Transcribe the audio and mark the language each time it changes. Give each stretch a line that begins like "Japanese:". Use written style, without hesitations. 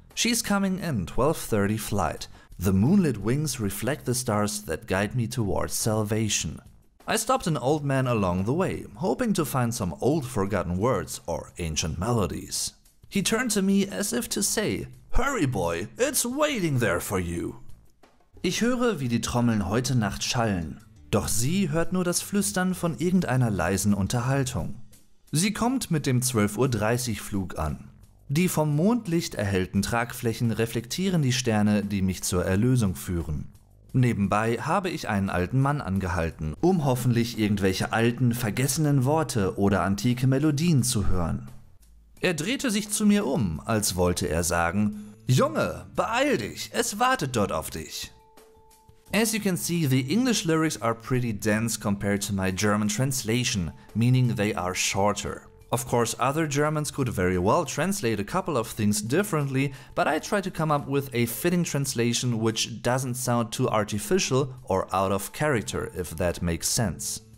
English: She's coming in, 12:30 flight. The moonlit wings reflect the stars that guide me towards salvation. I stopped an old man along the way, hoping to find some old forgotten words or ancient melodies. He turned to me as if to say, hurry, boy, it's waiting there for you.
German: Ich höre, wie die Trommeln heute Nacht schallen. Doch sie hört nur das Flüstern von irgendeiner leisen Unterhaltung. Sie kommt mit dem 12:30 Flug an. Die vom Mondlicht erhellten Tragflächen reflektieren die Sterne, die mich zur Erlösung führen. Nebenbei habe ich einen alten Mann angehalten, um hoffentlich irgendwelche alten, vergessenen Worte oder antike Melodien zu hören. Er drehte sich zu mir um, als wollte er sagen, Junge, beeil dich, es wartet dort auf dich.
English: As you can see, the English lyrics are pretty dense compared to my German translation, meaning they are shorter. Of course, other Germans could very well translate a couple of things differently, but I try to come up with a fitting translation which doesn't sound too artificial or out of character, if that makes sense.